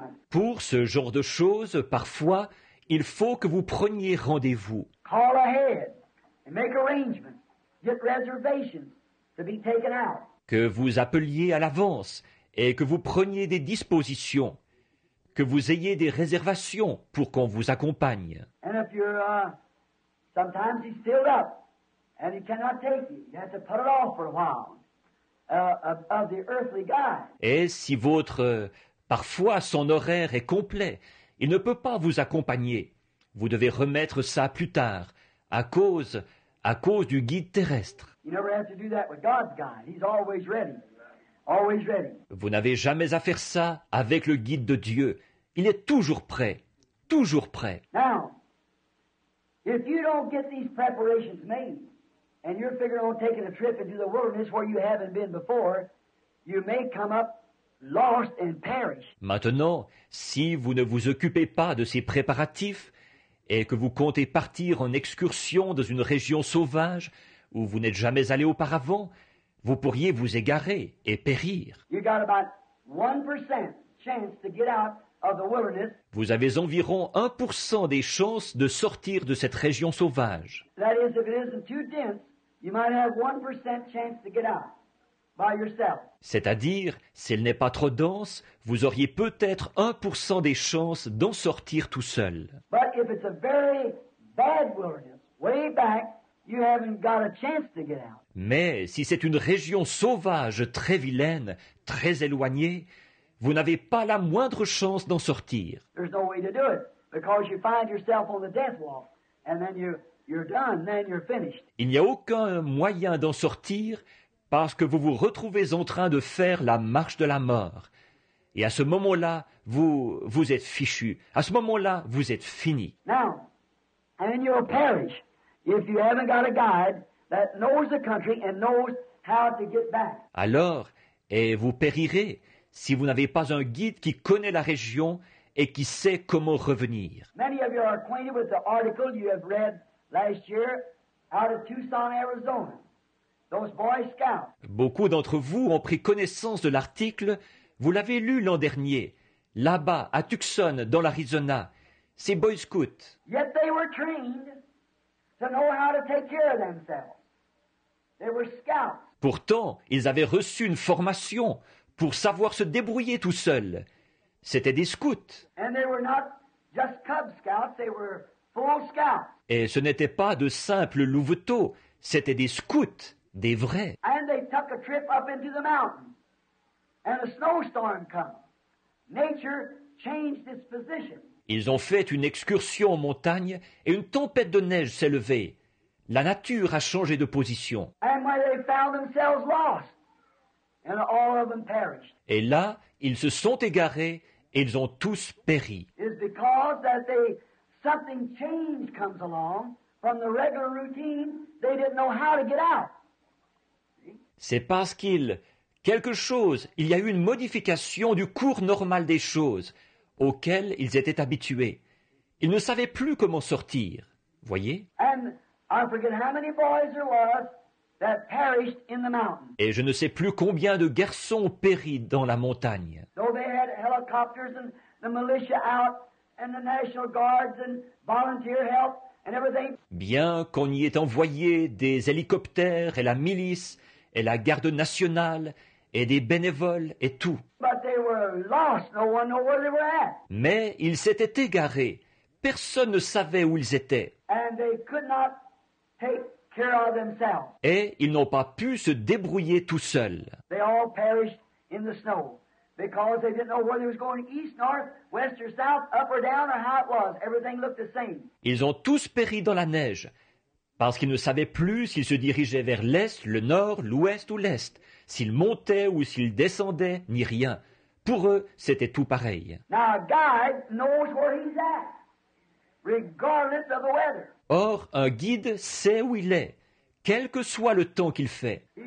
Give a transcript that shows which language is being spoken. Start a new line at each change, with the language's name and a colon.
French: Pour ce genre de choses, parfois, il faut que vous preniez rendez-vous.
English: Call ahead and make arrangements. Get reservations to be taken out.
French: Que vous appeliez à l'avance et que vous preniez des dispositions. Que vous ayez des réservations pour qu'on vous accompagne.
English: And if you're, sometimes he's filled up. And he cannot take you. You have to put it off for a while. Of the earthly guy.
French: Et si votre, parfois son horaire est complet, il ne peut pas vous accompagner. Vous devez remettre ça plus tard, à cause du guide terrestre.
English: You never have to do that with God's guy. He's always ready. Always ready.
French: Vous n'avez jamais à faire ça avec le guide de Dieu. Il est toujours prêt. Toujours prêt.
English: Now, if you don't get these preparations made, and you're figuring on taking a trip into the wilderness where you haven't been before, you may come up lost and perish.
French: Maintenant, si vous ne vous occupez pas de ces préparatifs et que vous comptez partir en excursion dans une région sauvage où vous n'êtes jamais allé auparavant, vous pourriez vous égarer et périr.
English: You got about 1% chance to get out of the wilderness.
French: Vous avez environ 1% des chances de sortir de cette région sauvage.
English: That is, if it isn't too dense, you might have 1% chance to get out by yourself.
French: C'est-à-dire, s'il n'est pas trop dense, vous auriez peut-être 1% des chances d'en sortir tout seul.
English: But if it's a very bad wilderness, way back, you haven't got a chance to get out.
French: Mais si c'est une région sauvage très vilaine, très éloignée, vous n'avez pas la moindre chance d'en sortir.
English: There's no way to do it because you find yourself on the death walk and then you're done, then you're finished.
French: Il n'y a aucun moyen d'en sortir parce que vous vous retrouvez en train de faire la marche de la mort. Et à ce moment-là, vous êtes fichu. À ce moment-là, vous êtes fini.
English: Now, and then you'll perish if you haven't got a guide that knows the country and knows how to get back.
French: Alors, et vous périrez si vous n'avez pas un guide qui connaît la région et qui sait comment revenir.
English: Many of you are acquainted with the article you have read last year out of Tucson, Arizona. Those Boy Scouts.
French: Beaucoup d'entre vous ont pris connaissance de l'article. Vous l'avez lu l'an dernier, là-bas, à Tucson, dans l'Arizona. Ces Boy Scouts.
English: Yet they were trained to know how to take care of themselves. They were scouts.
French: Pourtant, ils avaient reçu une formation pour savoir se débrouiller tout seul. C'était des scouts.
English: And they were not just cub scouts, they were full scouts.
French: Et ce n'étaient pas de simples louveteaux, c'était des scouts, des vrais.
English: And they took a trip up into the mountain. And a snowstorm came. Nature changed its position.
French: Ils ont fait une excursion en montagne et une tempête de neige s'est levée. La nature a changé de position.
English: And when they found themselves lost, and all of them perished.
French: Et là, ils se sont égarés et ils ont tous péri.
English: It's because that they something change comes along from the regular routine, they didn't know how to get out.
French: C'est parce qu'il quelque chose, il y a eu une modification du cours normal des choses auquel ils étaient habitués. Ils ne savaient plus comment sortir. Voyez?
English: And I forget how many boys there was. That perished in the mountain.
French: Et je ne sais plus combien de garçons périt dans la montagne.
English: Though they had helicopters and the militia out and the National Guards and volunteer help and everything.
French: Bien qu'on y ait envoyé des hélicoptères et la milice et la garde nationale et des bénévoles et tout.
English: But they were lost. No one knew where they were at.
French: Mais ils s'étaient égarés. Personne ne savait où ils étaient.
English: And they could not take care of themselves.
French: Et ils n'ont pas pu se débrouiller tout seuls.
English: They all perished in the snow because they didn't know whether it was going east, north, west or south, up or down or how it was. Everything looked the same.
French: Ils ont tous péri dans la neige parce qu'ils ne savaient plus s'ils se dirigeaient vers l'est, le nord, l'ouest ou l'est, s'ils montaient ou s'ils descendaient, ni rien. Pour eux, c'était tout pareil.
English: Now a guide knows where he's at. Regardless of the weather.
French: Or, un guide sait où il est, quel que soit le temps qu'il fait.